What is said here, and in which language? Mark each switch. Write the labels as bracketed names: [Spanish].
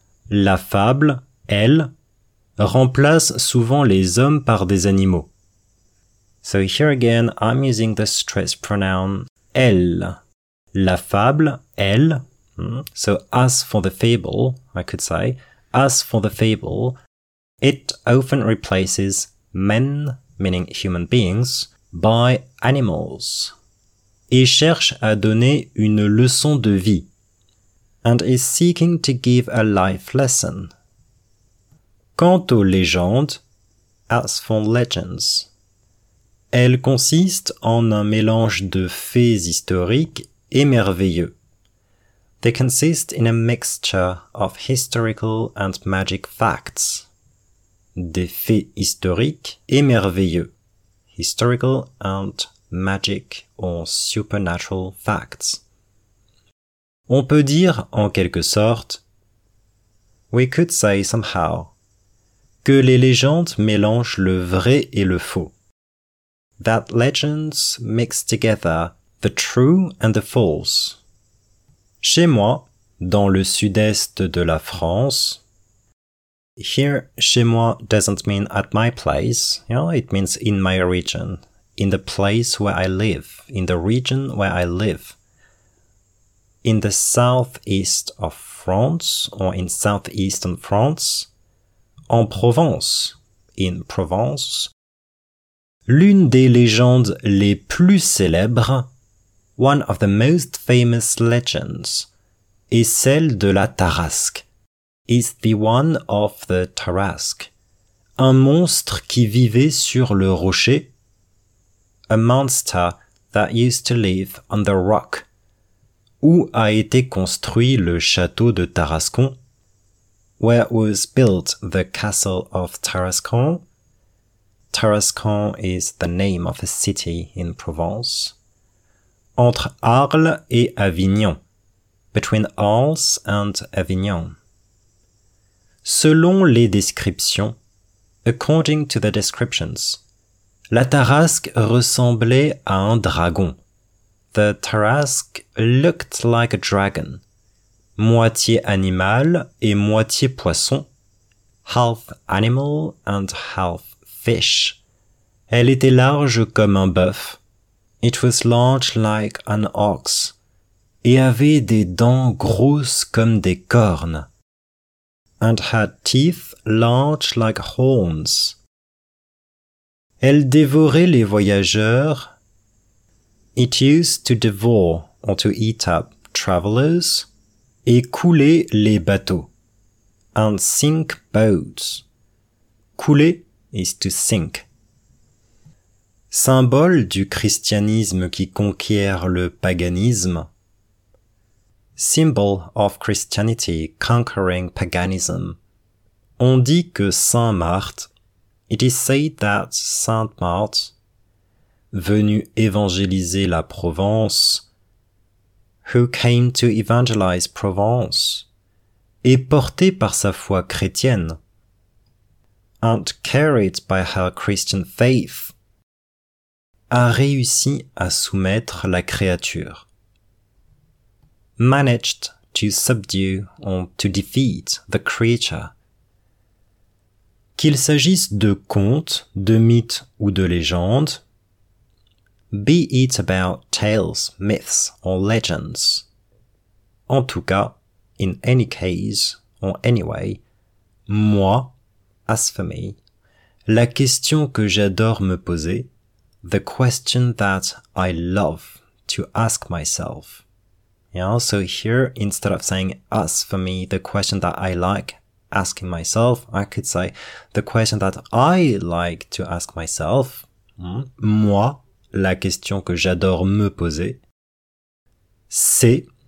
[French] La fable, elle, remplace souvent les hommes par des animaux. [English] So here again, I'm using the stress pronoun elle. [French] La fable, elle, [English] so as for the fable, I could say, as for the fable, it often replaces men, meaning human beings, by animals, [French] et cherche à donner une leçon de vie, [English] and is seeking to give a life lesson. [French] Quant aux légendes, [English] as for legends, [French] elles consistent en un mélange de faits historiques et merveilleux. [English] They consist in a mixture of historical and magic facts. [French] Des faits historiques et merveilleux. [English] Historical and magic or supernatural facts. [French] On peut dire, en quelque sorte, [English] we could say somehow, [French] que les légendes mélangent le vrai et le faux. [English] That legends mix together the true and the false. [French] Chez moi, dans le sud-est de la France. [English] Here, chez moi doesn't mean at my place. You know, it means in my region. In the place where I live. In the region where I live. In the southeast of France, or in southeastern France. [French] En Provence. [English] In Provence. [French] L'une des légendes les plus célèbres, [English] one of the most famous legends, [French] est celle de la Tarasque, [English] is the one of the Tarasque, [French] un monstre qui vivait sur le rocher, [English] a monster that used to live on the rock, [French] Où a été construit le château de Tarascon? [English] Where was built the castle of Tarascon? Tarascon is the name of a city in Provence. [French] Entre Arles et Avignon. [English] Between Arles and Avignon. [French] Selon les descriptions. [English] According to the descriptions. [French] La Tarasque ressemblait à un dragon. [English] The Tarasque looked like a dragon. [French] Moitié animal et moitié poisson. [English] Half animal and half fish. [French] Elle était large comme un bœuf. [English] It was large like an ox. [French] Et avait des dents grosses comme des cornes. [English] And had teeth large like horns. [French] Elle dévorait les voyageurs. [English] It used to devour or to eat up travelers. [French] Et couler les bateaux. [English] And sink boats. [French] Couler [English] is to sink. [French] Symbole du christianisme qui conquiert le paganisme. [English] Symbol of Christianity conquering paganism. [French] On dit que Saint Marthe, [English] it is said that Saint Marthe, [French] venu évangéliser la Provence, [English] who came to evangelize Provence, [French] et porté par sa foi chrétienne, [English] and carried by her Christian faith, [French] a réussi à soumettre la créature. [English] Managed to subdue or to defeat the creature. [French] Qu'il s'agisse de contes, de mythes ou de légendes. [English] Be it about tales, myths or legends. [French] En tout cas, [English] in any case or anyway. [French] Moi, [English] as for me. [French] La question que j'adore me poser. [English] The question that I love to ask myself. Yeah, so here, instead of saying us for me, the question that I like asking myself, I could say the question that I like to ask myself. [French] Moi, la question que j'adore me poser, c'est,